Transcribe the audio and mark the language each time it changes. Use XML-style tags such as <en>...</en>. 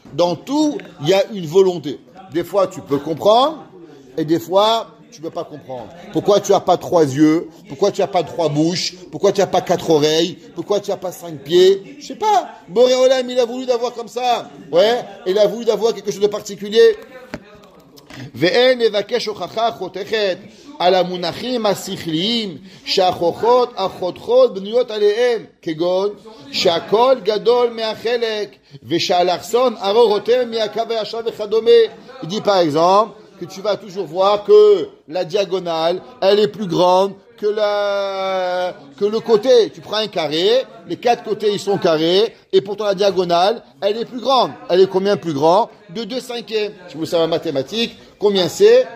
<fr>Dans tout, il y a une volonté. Des fois, tu peux comprendre, et des fois, tu ne peux pas comprendre. Pourquoi tu n'as pas trois yeux? Pourquoi tu n'as pas trois bouches? Pourquoi tu n'as pas quatre oreilles? Pourquoi tu n'as pas cinq pieds? Je sais pas. Boré Olam, il a voulu d'avoir comme ça. Ouais, il a voulu d'avoir quelque chose de particulier.</fr> <he>ואין לבקש הוכחה חותכת על המונחים השכליים שהחוכות החותכות בנויות עליהם כגון שהכל גדול מהחלק ושהלחסון ארוך יותר מהקו הישר וכדומה.</he> <fr>Il dit par exemple que tu vas toujours voir que la diagonale elle est plus grande que le côté. Tu prends un carré, les quatre côtés ils sont carrés, et pourtant la diagonale elle est plus grande. Elle est combien plus grande? De 2/5. Si vous savez en mathématiques, combien c'est?</fr>